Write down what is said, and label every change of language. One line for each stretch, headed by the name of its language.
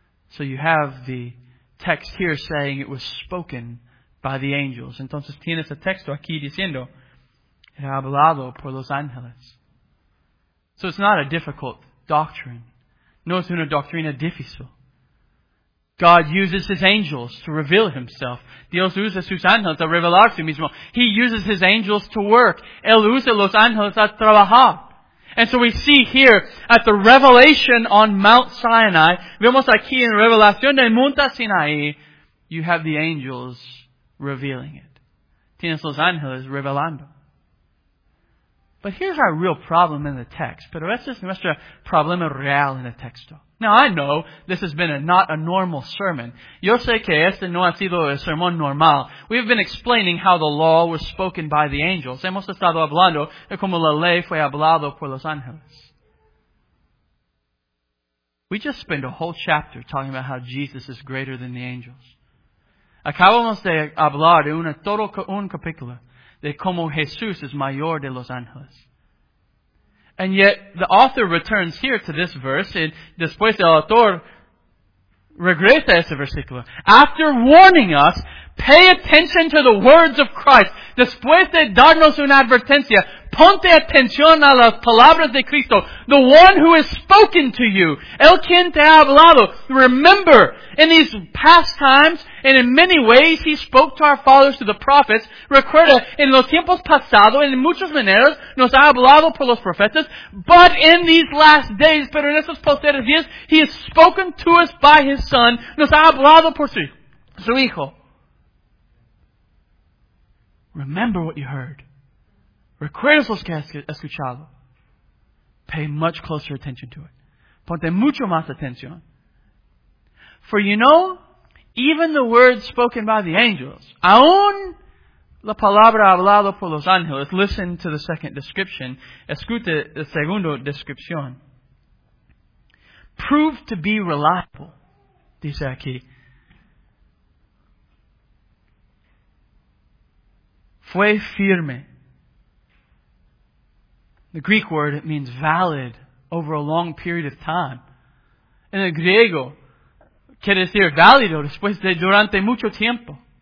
English: So you have the text here saying it was spoken by the angels.
Spanish: Entonces tienes el texto aquí diciendo, era hablado por los ángeles.
English: So it's not a difficult doctrine.
Spanish: No es una doctrina difícil.
English: God uses His angels to reveal Himself.
Spanish: Dios usa sus ángeles a revelar su mismo.
English: He uses His angels to work.
Spanish: Él usa los ángeles a trabajar.
English: And so we see here at the revelation on Mount Sinai,
Spanish: vemos aquí en revelación del Monte Sinaí,
English: you have the angels revealing it.
Spanish: Tienes los ángeles revelando.
English: But here's our real problem in the text.
Spanish: Pero este es nuestro problema real en el texto.
English: Now I know this has been not a normal sermon.
Spanish: Yo sé que este no ha sido el sermón normal.
English: We've been explaining how the law was spoken by the angels.
Spanish: Hemos estado hablando de cómo la ley fue hablado por los ángeles.
English: We just spent a whole chapter talking about how Jesus is greater than the angels.
Spanish: Acabamos de hablar de un capítulo de cómo Jesús es mayor de los ángeles.
English: And yet, the author returns here to this verse, and
Spanish: después el autor regresa a ese versículo. After warning us, pay attention to the words of Christ.
English: Después de darnos una advertencia, ponte atención a las palabras de Cristo.
Spanish: The one who has spoken to you. El quien te ha hablado.
English: Remember, in these past times, and in many ways, He spoke to our fathers through the prophets.
Spanish: Recuerda, en los tiempos pasados, en muchas maneras, nos ha hablado por los profetas.
English: But in these last days,
Spanish: pero en estos posteriores días,
English: He has spoken to us by His Son.
Spanish: Nos ha hablado por su Hijo.
English: Remember what you heard.
Spanish: Recuerdas los que has escuchado.
English: Pay much closer attention to it.
Spanish: Ponte mucho más atención.
English: For you know, even the words spoken by the angels,
Spanish: aún la palabra hablado por los ángeles,
English: listen to the second description,
Spanish: escute la segunda descripción,
English: proved to be reliable,
Spanish: dice aquí. Fue firme.
English: The Greek word, it means valid over a long period of time.
Spanish: En el griego, quiere decir válido después de durante mucho tiempo.